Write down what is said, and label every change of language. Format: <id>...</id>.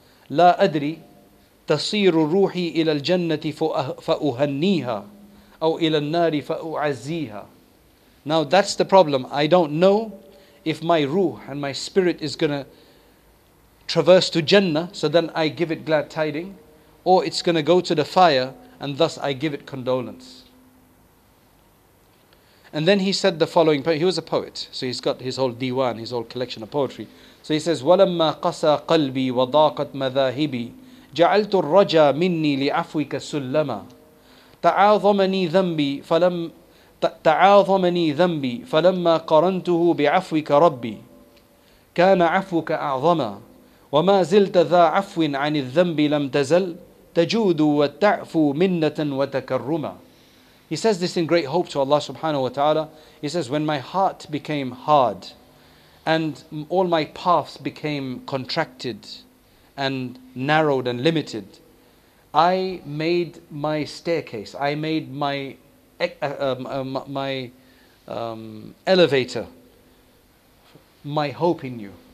<ar>لَا أَدْرِي تصير روحي إلى الجنة فأهنيها أو إلى النار فأعزيها.</ar> <en>Now that's the problem. I don't know if my ruh and my spirit is going to traverse to Jannah, so then I give it glad tiding, or it's going to go to the fire and thus I give it condolence. And then he said the following, he was a poet, so he's got his whole diwan, his whole collection of poetry. So he says,</en> <ar>ولما قسى قلبي وضاقت مذاهبي جعلت الرجا مني لعفوك سلما تعاظمني ذنبي فلم تعاظمني ذنبي فلما قرنته بعفوك ربي كان عفوك أعظما وما زلت ذا عفو عن الذنب لم تزل تجود وتعفو منة وتكرما</ar> <en>He says this in great hope to Allah subhanahu wa ta'ala. He says, when my heart became hard and all my paths became contracted and narrowed and limited, I made my staircase, I made my elevator, my hope in you.</en>